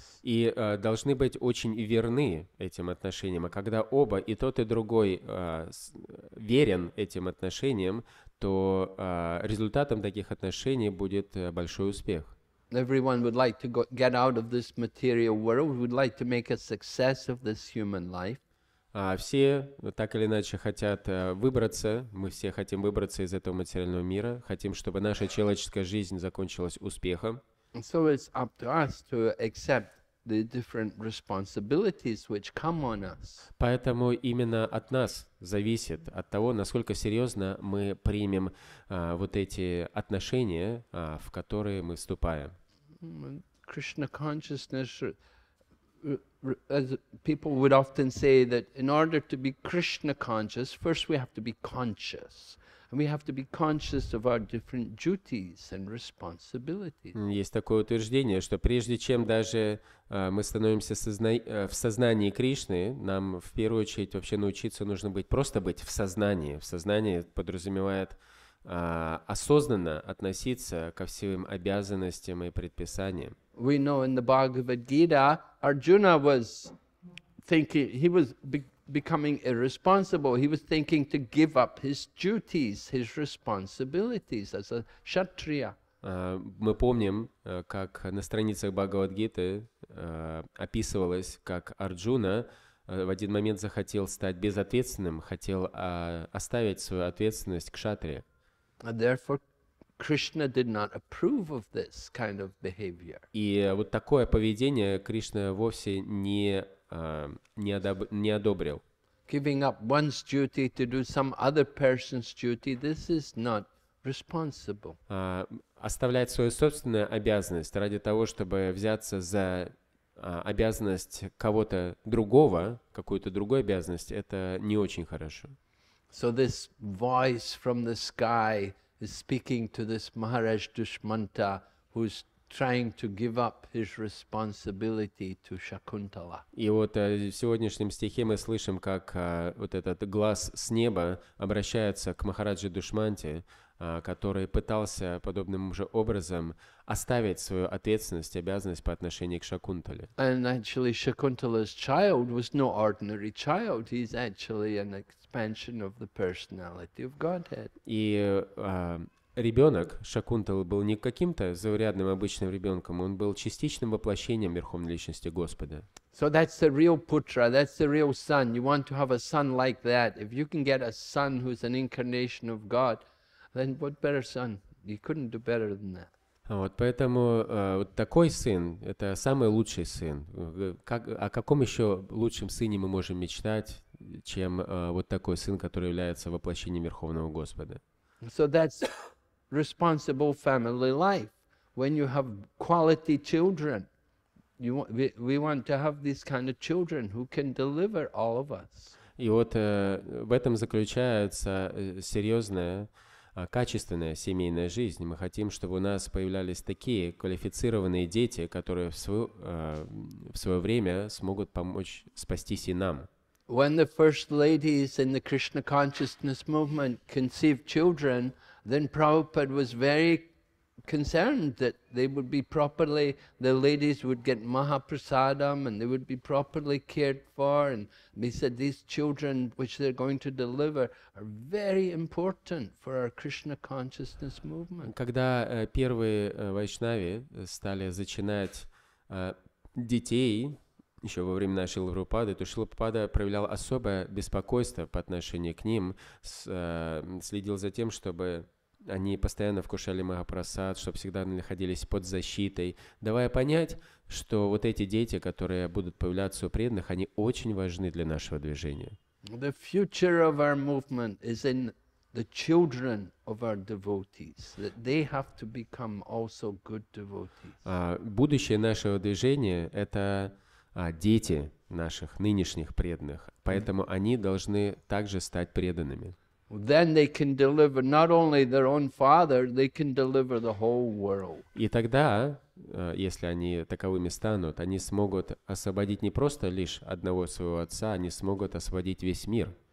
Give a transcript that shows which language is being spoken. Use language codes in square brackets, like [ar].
[ru] И должны быть очень верны этим отношениям. А когда оба, и тот, и другой, верен этим отношениям, то результатом таких отношений будет большой успех. [en] Everyone would like to get out of this material world. We would like to make a success of this human life. [ru] Все так или иначе хотят выбраться. Мы все хотим выбраться из этого материального мира. Хотим, чтобы наша человеческая жизнь закончилась успехом. [en] And so it's up to us to accept the different responsibilities which come on us. [ru] Поэтому именно от нас зависит, от того, насколько серьезно мы примем вот эти отношения, в которые мы вступаем. [en] Krishna consciousness, as people would often say, that in order to be Krishna conscious, first we have to be conscious. We have to be conscious of our different duties and responsibilities. [ru] Есть такое утверждение, что прежде чем даже мы становимся в сознании Кришны, нам в первую очередь вообще научиться нужно быть просто быть в сознании. В сознании подразумевает осознанно относиться ко всем обязанностям и предписаниям. [en] We know in the Bhagavad Gita, Arjuna was thinking he was becoming irresponsible. He was thinking to give up his duties, his responsibilities as a kshatriya. [ru] Мы помним, как на страницах Бхагавад-гиты описывалось, как Арджуна в один момент захотел стать безответственным, хотел оставить свою ответственность кшатрия. [en] And therefore, Krishna did not approve of this kind of behavior. [ru] И вот такое поведение Кришна вовсе не одобрил. [en] Giving up one's duty to do some other person's duty, this is not responsible. [ru] Оставлять свою собственную обязанность ради того, чтобы взяться за обязанность кого-то другого, какую-то другую обязанность, это не очень хорошо. [en] So this voice from the sky is speaking to this Maharaj Dushmanta, who's trying to give up his responsibility to Shakuntala. [ru] И вот в сегодняшнем стихе мы слышим, как вот этот глаз с неба обращается к Махараджи Душманте, который пытался подобным же образом оставить свою ответственность, обязанность по отношению к Шакунтале. [en] And actually, Shakuntala's child was no ordinary child. He's actually an expansion of the personality of Godhead. [ru] И ребенок Шакунтала был не каким-то заурядным обычным ребенком, он был частичным воплощением Верховной Личности Господа. [en] So that's the real putra, that's the real son. You want to have a son like that. If you can get a son who's an incarnation of God, then what better son? You couldn't do better than that. [ru] Вот поэтому вот такой сын – это самый лучший сын. Как, о каком еще лучшем сыне мы можем мечтать, чем вот такой сын, который является воплощением Верховного Господа? [en] So that's responsible family life. When you have quality children, we want to have these kind of children who can deliver all of us. [ru] И вот в этом заключается серьезная, качественная семейная жизнь. Мы хотим, чтобы у нас появлялись такие квалифицированные дети, которые в свое время смогут помочь спастись и нам. [en] When the first ladies in the Krishna consciousness movement conceived children, then Prabhupada was very concerned that they would be properly, the ladies would get Mahaprasadam and they would be properly cared for. And he said, these children which they're going to deliver are very important for our Krishna consciousness movement. [ru] Когда первые вайшнави стали зачинать детей, еще во времена Шрилы Прабхупады, то Шрила Прабхупада проявлял особое беспокойство по отношению к ним, следил за тем, чтобы они постоянно вкушали Махапрасад, чтобы всегда находились под защитой, давая понять, что вот эти дети, которые будут появляться у преданных, они очень важны для нашего движения. [en] The future of our movement is in the children of our devotees, that they have to become also good devotees. [ru] Будущее нашего движения – это дети наших нынешних преданных, поэтому они должны также стать преданными. [en] Then they can deliver not only their own father, they can deliver the whole world. [ru] И тогда если они таковыми станут, они смогут освободить не просто лишь одного своего отца, они смогут освободить весь мир.